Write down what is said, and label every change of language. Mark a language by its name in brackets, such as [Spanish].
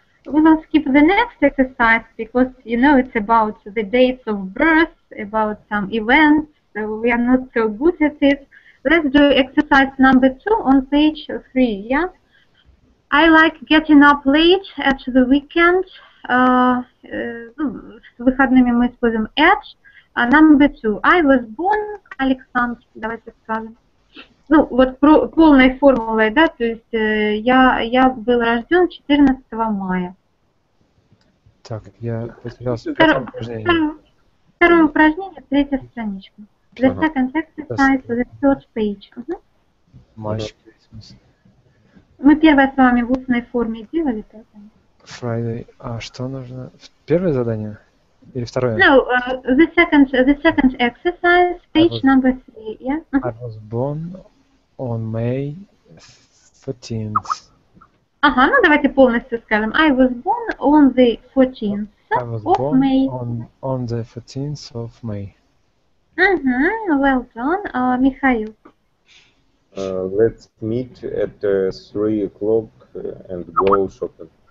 [English] We will skip the next exercise because, you know, it's about the dates of birth, about some events, so we are not so good at it. Let's do exercise number two on page three, yeah? I like getting up late at the weekend. [Russian] С выходными мы используем at. [English] Number two. I was born, Александр, [Russian] давайте скажем. Ну, вот полной формулой, да, то есть я был рожден 14 мая. Так, я потерялся. Второе упражнение. Второе упражнение, третья страничка. [English] The second exercise, the third page. March Christmas. [Russian] Мы первое с вами в устной форме делали, поэтому. Friday. А что нужно? Первое задание? Или второе? [English] No, the second exercise, page number three. Yeah? I was born on May 14th. [Russian] Ну давайте полностью скажем. [English] I was born on the 14th of May. On the 14th of May. Well done. Mikhail. Let's meet at 3 o'clock and go shopping.